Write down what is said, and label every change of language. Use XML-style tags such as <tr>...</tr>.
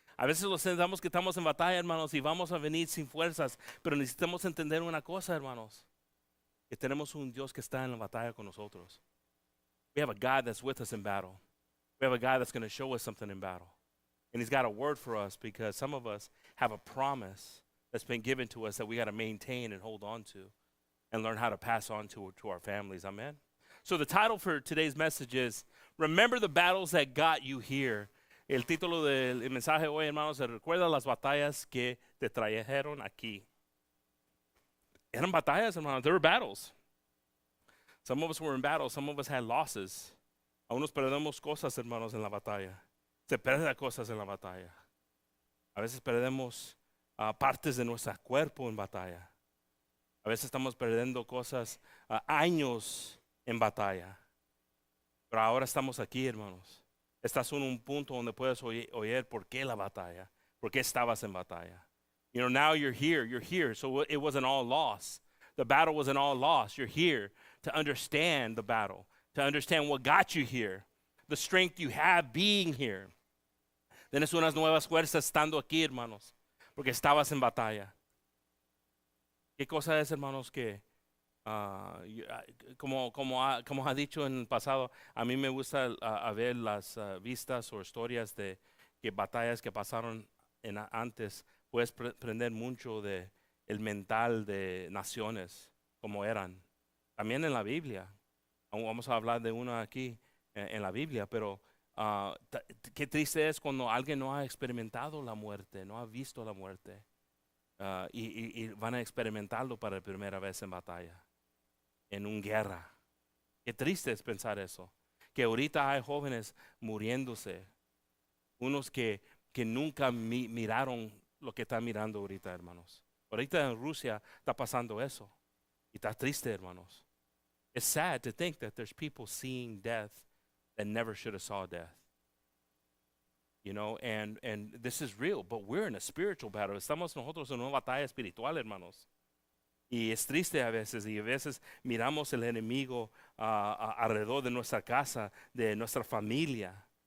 <es>A veces lo sentamos que estamos en batalla, hermanos, y vamos a venir sin fuerzas. Pero necesitamos entender una cosa, hermanos. Que tenemos un Dios que está en la batalla con nosotros.</es> <en>We have a God that's with us in battle. We have a God that's going to show us something in battle. And he's got a word for us because some of us have a promise that's been given to us that we got to maintain and hold on to and learn how to pass on to our families. Amen. So the title for today's message is Remember the Battles That Got You Here.</en> <es>El título del mensaje hoy, hermanos, es Recuerda las batallas que te trajeron aquí. Eran batallas, hermanos.</es> <en>There were battles. Some of us were in battles. Some of us had losses.</en> <es>Algunos perdemos cosas, hermanos, en la batalla. Se pierden cosas en la batalla. A veces perdemos partes de nuestro cuerpo en batalla. A veces estamos perdiendo cosas, años en batalla. Pero ahora estamos aquí, hermanos. Estás en un punto donde puedes oír por qué la batalla, por qué estabas en batalla.</es> <en>You know, now you're here. You're here. So it wasn't all loss. The battle wasn't all loss. You're here to understand the battle, to understand what got you here, the strength you have being here.</en> <es>Tienes unas nuevas fuerzas estando aquí, hermanos, porque estabas en batalla. ¿Qué cosa es, hermanos, que, como ha dicho en el pasado, a mí me gusta a ver las vistas o historias de que batallas que pasaron antes. Puedes aprender mucho de el mental de naciones, como eran. También en la Biblia. Vamos a hablar de una aquí en la Biblia, pero qué triste es cuando alguien no ha experimentado la muerte, no ha visto la muerte, y van a experimentarlo para la primera vez en batalla, en una guerra. Qué triste es pensar eso. Que ahorita hay jóvenes muriéndose, unos que nunca miraron lo que están mirando ahorita, hermanos. Ahorita en Rusia está pasando eso. Y está triste, hermanos.</es> <en>It's sad to think that there's people seeing death that never should have saw death. You know, and this is real, but we're in a spiritual battle.</en> <es>Estamos nosotros en una batalla espiritual, hermanos. Y es triste a veces. Y a veces miramos el enemigo alrededor de nuestra casa, de nuestra familia.</es>